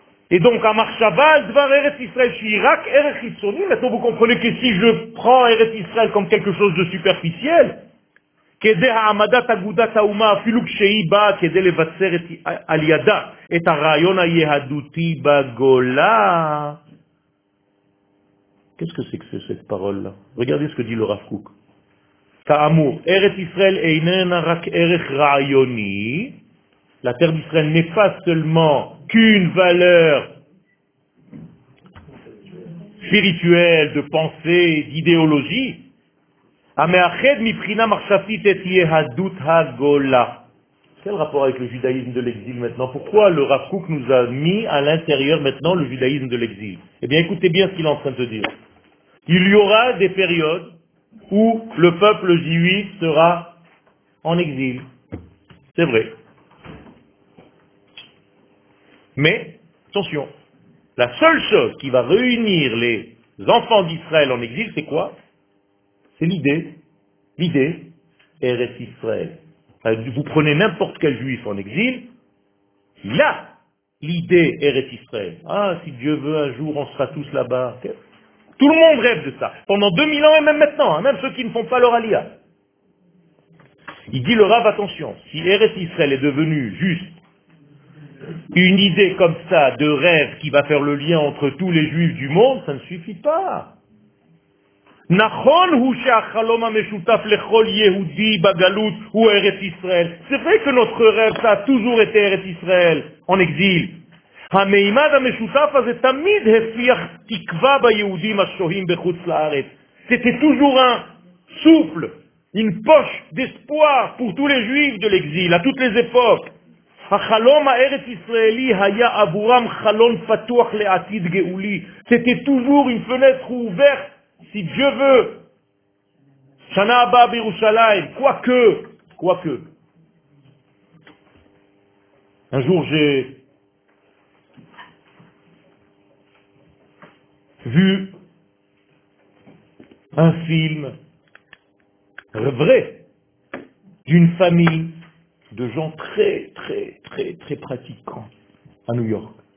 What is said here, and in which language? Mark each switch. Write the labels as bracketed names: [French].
[French] Et donc, à Marchabal, Dvar Eretz Israël, Chirac, Eretz Hitsoni, maintenant vous comprenez que si je prends Eretz Israël comme quelque chose de superficiel, [Hebrew] כדי העמדת אגודת האומה אפילו כשהיא באה כדי לבצר את, על ידה את הרעיון היהדותי בגולה. [French] Qu'est-ce que c'est que c'est cette parole-là? Regardez ce que dit le Rav Kook. [Hebrew] כאמור, ארץ ישראל איננה רק ערך רעיוני, [French] la terre d'Israël n'est pas seulement qu'une valeur spirituelle, de pensée, d'idéologie, [Hebrew] המאחד מבחינה מחשפית את יהדות הגולה. [French] Quel rapport avec le judaïsme de l'exil maintenant? Pourquoi le Rav Kook nous a mis à l'intérieur maintenant le judaïsme de l'exil? Eh bien, écoutez bien ce qu'il est en train de dire. Il y aura des périodes où le peuple juif sera en exil. C'est vrai. Mais, attention, la seule chose qui va réunir les enfants d'Israël en exil, c'est quoi? C'est l'idée. L'idée, Eretz Israël. Vous prenez n'importe quel juif en exil, là, l'idée Eretz Israël. Ah, si Dieu veut, un jour, on sera tous là-bas. Tout le monde rêve de ça. Pendant 2000 ans et même maintenant, hein, même ceux qui ne font pas leur alia. Il dit le Rav, attention, si Eretz Israël est devenu juste une idée comme ça de rêve qui va faire le lien entre tous les juifs du monde, ça ne suffit pas. [Hebrew] נכון הוא שהחלום המשותף לכל יהודי בגלות הוא ארץ ישראל. [French] C'est vrai que notre rêve, ça a toujours été ארץ ישראל, en exil. [Hebrew] המימד המשותף הזה תמיד הפיח תקווה ביהודים השוהים בחוץ לארץ. [French] C'était toujours un souffle, une poche d'espoir pour tous les juifs de l'exil, à toutes les époques. [Hebrew] החלום הארץ ישראלי היה עבורם חלון פתוח לעתיד גאולי. [French] C'était toujours une fenêtre ouverte. Si Dieu veut, [Hebrew] Shana Abba Birushalayim, [French] quoique. Un jour j'ai vu un film vrai d'une famille de gens très très très très pratiquants à New York.